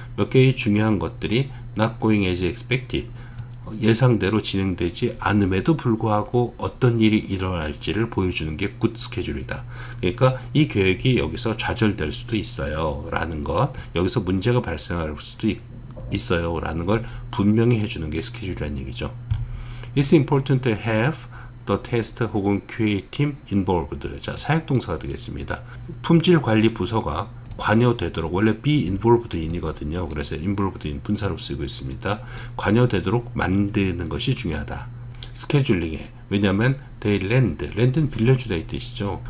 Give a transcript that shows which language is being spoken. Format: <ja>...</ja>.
<ko>몇 개의 중요한 것들이</ko> <en>not going as expected</en> <ko>예상대로 진행되지 않음에도 불구하고 어떤 일이 일어날지를 보여주는 게 good 스케줄이다. 그러니까 이 계획이 여기서 좌절될 수도 있어요 라는 것 여기서 문제가 발생할 수도 있어요 라는 걸 분명히 해주는 게 스케줄이라는 얘기죠.</ko> <en>It's important to have the test 혹은 QA team involved.</en> <ko>자, 사역동사가 되겠습니다. 품질관리 부서가 관여되도록, 원래 be involved in이거든요. 그래서 involved in 분사로 쓰이고 있습니다. 관여되도록 만드는 것이 중요하다. 스케줄링에. 왜냐하면 they lend. lend는 빌려주다 이 뜻이죠.</ko>